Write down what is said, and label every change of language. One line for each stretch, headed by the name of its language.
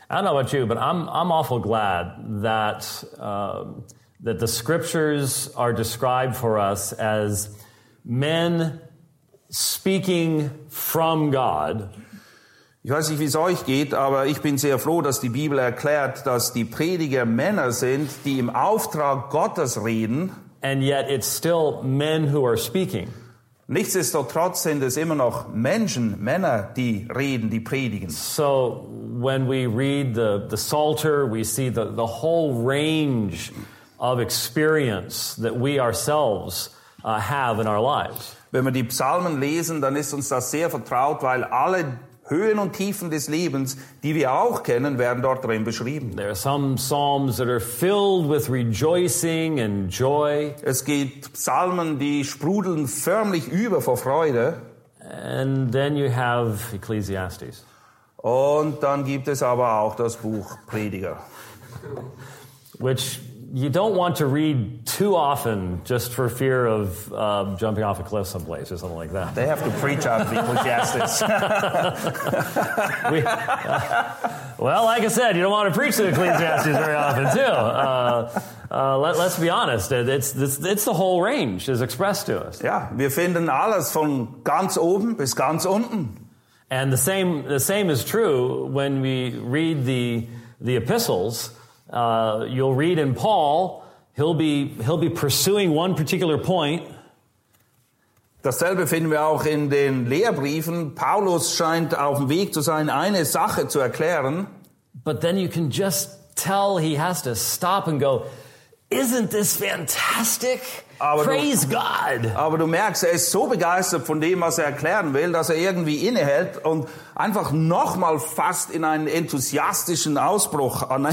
English: I don't know about you, but I'm awful glad that that the scriptures are described for us as men speaking from God.
German: Ich weiß nicht, wie es euch geht, aber ich bin sehr froh, dass die Bibel erklärt, dass die Prediger Männer sind, die im Auftrag Gottes reden.
English: And yet it's still men who are speaking.
German: Nichtsdestotrotz sind es immer noch Menschen, Männer, die reden, die predigen.
English: So when we read the Psalter, we see the whole range of experience that we ourselves have in our lives.
German: Wenn wir die Psalmen lesen, dann ist uns das sehr vertraut, weil alle Höhen und Tiefen des Lebens, die wir auch kennen, werden dort drin beschrieben.
English: There are some psalms that are filled with rejoicing and joy.
German: Es gibt Psalmen, die sprudeln förmlich über vor Freude.
English: And then you have Ecclesiastes.
German: Und dann gibt es aber auch das Buch Prediger.
English: Which you don't want to read too often just for fear of jumping off a cliff someplace or something like that. They have to preach out of Ecclesiastes. Well, like I said, you don't want to preach to Ecclesiastes very often, too. Let's be honest. It's the whole range is expressed to us.
German: Yeah, wir finden alles von ganz oben bis ganz unten.
English: And the same is true when we read the epistles. You'll read in Paul, he'll be pursuing one particular point.
German: Dasselbe finden wir auch in den Lehrbriefen. Paulus scheint auf dem Weg zu sein, eine Sache zu erklären.
English: But then you can just tell he has to stop and go, isn't this fantastic? Praise God!
German: Aber du merkst, er ist so begeistert von dem, was er erklären will, dass er irgendwie innehält und einfach nochmal fast in einen enthusiastischen Ausbruch.